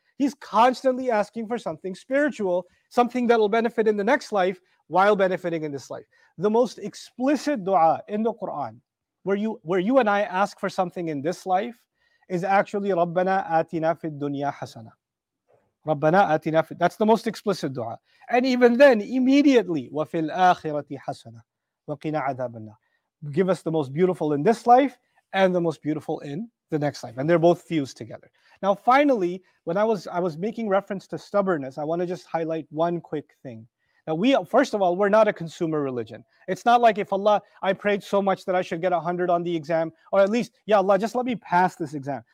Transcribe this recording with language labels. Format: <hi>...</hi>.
<en>He's constantly asking for something spiritual, something that will benefit in the next life while benefiting in this life. The most explicit dua in the Quran, where you and I ask for something in this life, is actually</en> <ar>رَبَّنَا آتِنَا فِي الدُّنْيَا حَسَنًا. رَبَّنَا آتِنَا فِي...</ar> <en>That's the most explicit dua. And even then, immediately,</en> <ar>وَفِي الْآخِرَةِ حَسَنًا وَقِنَا عَذَابَ النَّارِ.</ar> <en>Give us the most beautiful in this life and the most beautiful in the next life. And they're both fused together. Now, finally, when I was making reference to stubbornness, I want to just highlight one quick thing. Now, we're not a consumer religion. It's not like if Allah, I prayed so much that I should get 100 on the exam, or at least, yeah, Allah, just let me pass this exam.</en>